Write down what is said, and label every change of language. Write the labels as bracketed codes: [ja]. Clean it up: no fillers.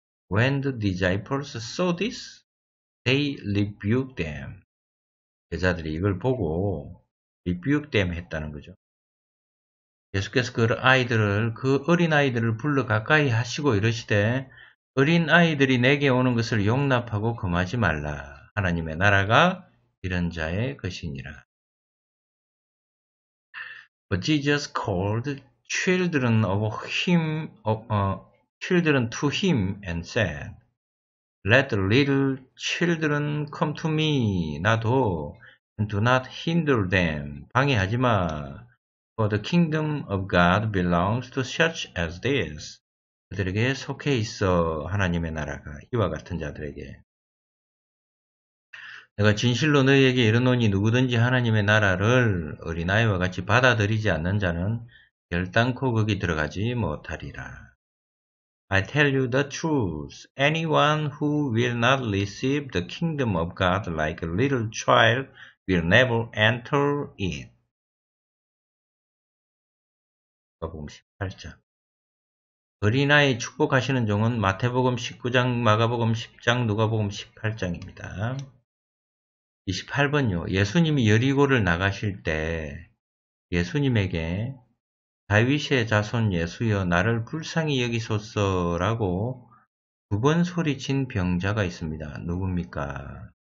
[en] When the disciples saw this, they rebuked them. [ko] 제자들이 이걸 보고 [en] rebuked them [ko] 했다는 거죠. 예수께서 그 아이들을, 그 어린 아이들을 불러 가까이 하시고 이러시되 어린 아이들이 내게 오는 것을 용납하고 금하지 말라. 하나님의 나라가 이런 자의 것이니라. [en] But Jesus called children of him, children to him and said, Let the little children come to me, [ko] 나도, [en] and do not hinder them, [ko] 방해하지 마. [en] For the kingdom of God belongs to such as this. [ko] 그들에게 속해 있어, 하나님의 나라가, 이와 같은 자들에게. 내가 진실로 너희에게 이르노니 누구든지 하나님의 나라를 어린아이와 같이 받아들이지 않는 자는 결단코 거기 들어가지 못하리라. [en] I tell you the truth. Anyone who will not receive the kingdom of God like a little child will never enter it. [ko] 마태복음 18장. 어린아이 축복하시는 종은 마태복음 19장, 마가복음 10장, 누가복음 18장입니다. 28번요. 예수님이 여리고를 나가실 때 예수님에게 다윗의 자손 예수여 나를 불쌍히 여기소서라고 두 번 소리친 병자가 있습니다. 누굽니까?